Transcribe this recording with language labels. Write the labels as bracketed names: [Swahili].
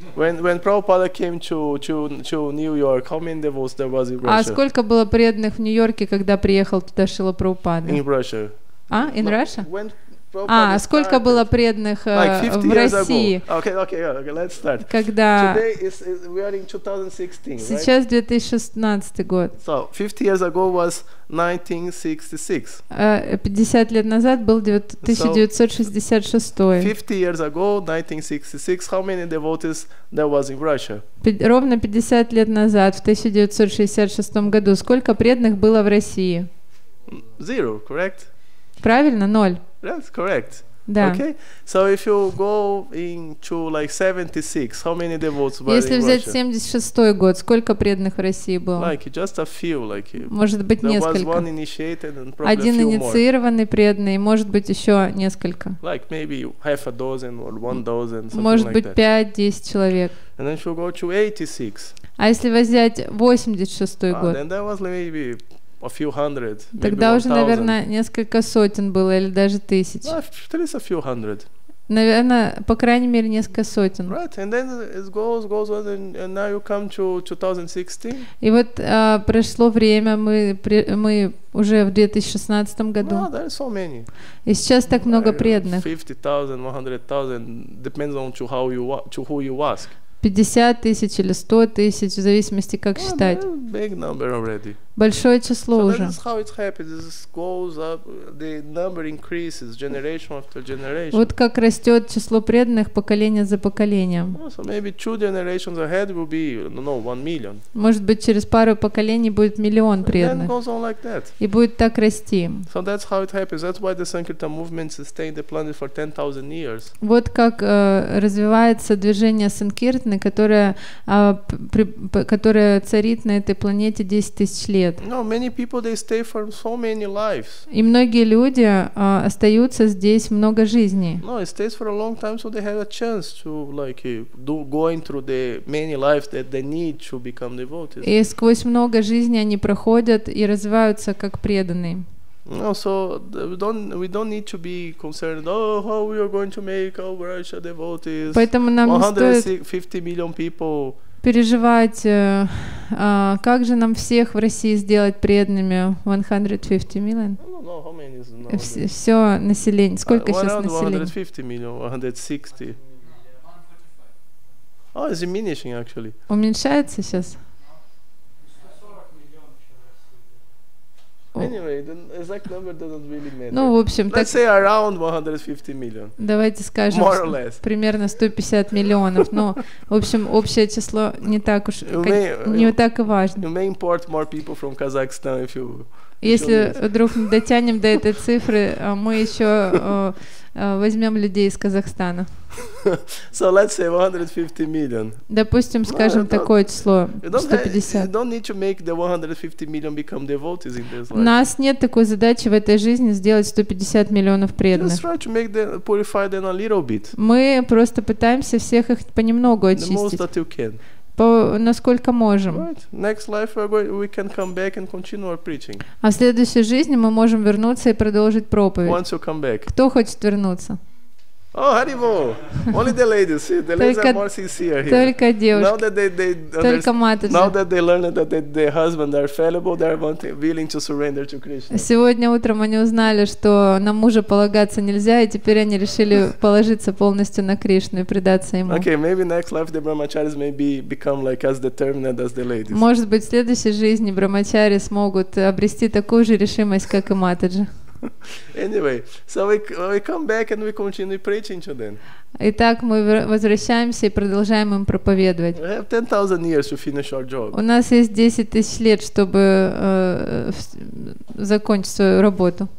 [English] When Prabhupada came to New York, how many devotees there was in Russia? [Russian] А сколько было преданных в Нью-Йорке, когда приехал туда Шрила Прабхупада? [English] In Russia. А, in Russia? [Russian] А, сколько было преданных в России? [English] Okay, let's start. [Russian] Когда? [English] Today is, [Russian] сейчас 2016 год. [English] So, 50 years ago was 1966. [Russian] 50 лет назад был 1966. [English] 50 years ago, 1966, how many devotees there was in Russia? [Russian] Ровно 50 лет назад, в 1966 году, сколько преданных было в России? [English] Zero, correct? [Russian] Правильно, ноль. [English] That's correct. [Russian] Да. [English] Okay. So if you go into like 76, how many devotees were in [Russian] Если взять 76-й год, сколько преданных в России было? [English] Like just a few, like. [Russian] Может быть несколько. [English] There was one initiated and probably a few more. [Russian] Один инициированный преданный, может быть еще несколько. [English] Like maybe half a dozen or one dozen, something like that. [Russian] Может быть 5-10 человек. [English] And then if you go to 86. [Russian] А если взять 86-й год? [English] Then there was maybe. A few hundred, [Russian] тогда [English] maybe [Russian] уже, наверное, несколько сотен было, или даже тысяч. [English] No, a few hundred. [Russian] Наверное, по крайней мере, несколько сотен. [English] Right. And then it goes on, and now you come to 2016. [Russian] И вот прошло время, мы уже в 2016 году. [English] No, there are so many. [Russian] И сейчас так много преданных. [English] 50,000, 100,000, depends on to who you ask. [Russian] 50 тысяч или 100 тысяч, в зависимости, как считать. [English] Big number already. [Russian] Большое число уже. [English] So that is how it happens. It goes up, the number increases generation after generation. [Russian] Вот как растет число преданных поколение за поколением. [English] So maybe two generations ahead will be, no, 1 million. [Russian] Может быть, через пару поколений будет миллион преданных. [English] And then goes on like that. [Russian] И будет так расти. [English] So that's how it happens. That's why the Sankirtan movement sustained the planet for 10,000 years. [Russian] Вот как развивается движение Санкиртны, которое царит на этой планете 10,000 лет. [English] No, many people, they stay for so many lives. [Russian] И многие люди остаются здесь много жизней. [English] No, it stays for a long time, so they have a chance to like do going through the many lives that they need to become devotees. [Russian] И сквозь много жизней они проходят и развиваются как преданные. [English] No, so we don't need to be concerned. Oh, how we are going to make our Russia devotees? [Russian] Поэтому нам не стоит [English] 150 million people. [Russian] Переживать, как же нам всех в России сделать преданными? [English] 150 million? No, no, how many is now? [Russian] Все население. Сколько сейчас населения? [English] 150 million, 160. Oh, it's diminishing actually. [Russian] Уменьшается сейчас. [English] Anyway, the exact number doesn't really matter. [Russian] Ну, в общем, [English] let's say around 150 million. [Russian] Давайте скажем, [English] more or less. [Russian] Примерно 150 миллионов. Но, в общем, общее число не так уж так и важно. [English] You may import more people from Kazakhstan if you. [Russian] Если вдруг мы дотянем до этой цифры, мы еще возьмем людей из Казахстана. [English] So let's say 150 million. [Russian] Допустим, скажем, no, такое число, 150. [English] You don't need to make the 150 million become devotees in this life. [Russian] У нас нет такой задачи в этой жизни сделать 150 миллионов преданных. [English] Just try to make them, purify them a little bit. [Russian] Мы просто пытаемся всех их понемногу очистить. [English] The most that you can. [Russian] Насколько можем. [English] Right. Next life we can come back and continue our preaching. [Russian] А в следующей жизни мы можем вернуться и продолжить проповедь. [English] Once you come back. [Russian] Кто хочет вернуться? [English] Oh, Haribo. Only the ladies. See, the ladies are more sincere here. [Russian] Только девушки. [English] Now that they [Russian] только матаджи. [English] Now that they learned that their husbands are fallible, they are willing to surrender to Krishna. [Russian] Сегодня утром они узнали, что на мужа полагаться нельзя, и теперь они решили положиться полностью на Кришну и предаться ему. [English] Okay, maybe next life the brahmacharis may become like as determined as the ladies. [Russian] Может быть, в следующей жизни брахмачари смогут обрести такую же решимость, как и матаджи. [English] Anyway, so we come back and we continue preaching to them. [Russian] Итак, мы возвращаемся и продолжаем им проповедовать. [English] We have 10,000 years to finish our job. [Russian] У нас есть 10,000 лет, чтобы закончить свою работу.